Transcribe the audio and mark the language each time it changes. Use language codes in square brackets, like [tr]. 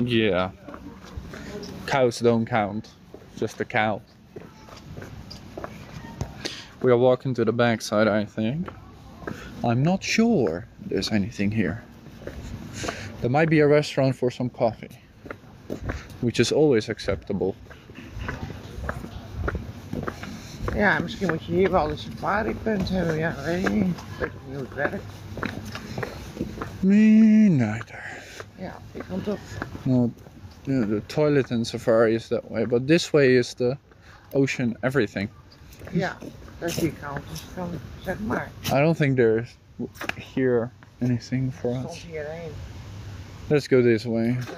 [en] Yeah. Cows don't count. Just a cow. We are walking to the backside, I think. I'm not sure there's anything here. There might be a restaurant for some coffee, which is always acceptable. [nl] Ja, misschien moet je hier wel een safari punt hebben. Ja, weet je niet. Ik weet niet hoe het werkt. [en] Me neither. [nl] Ja, ik kan toch. [en] Well, the toilet and safari is that way, but this way is the ocean, everything. [nl] Ja, dat zie ik al. Dus kan, zeg maar. [en] I don't think there's here anything for us. [nl] Soms hierheen. [en] Let's go this way.